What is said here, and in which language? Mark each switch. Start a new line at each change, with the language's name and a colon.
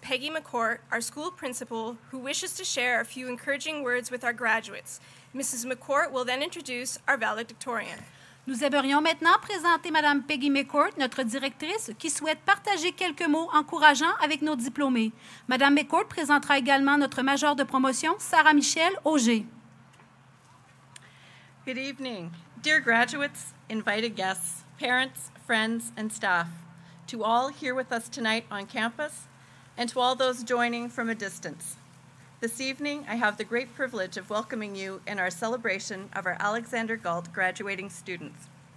English: Peggy McCourt, our school principal, who wishes to share a few encouraging words with our graduates. Mrs. McCourt will then introduce our valedictorian.
French: Nous aimerions maintenant présenter Madame Peggy McCourt, notre directrice, qui souhaite partager quelques mots encourageants avec nos diplômés. Madame McCourt présentera également notre major de promotion, Sarah Michelle Auger.
English: Good evening, dear graduates, invited guests, parents, friends, and staff, to all here with us tonight on campus, and to all those joining from a distance. This evening, I have the great privilege of welcoming you in our celebration of our Alexander Galt graduating students.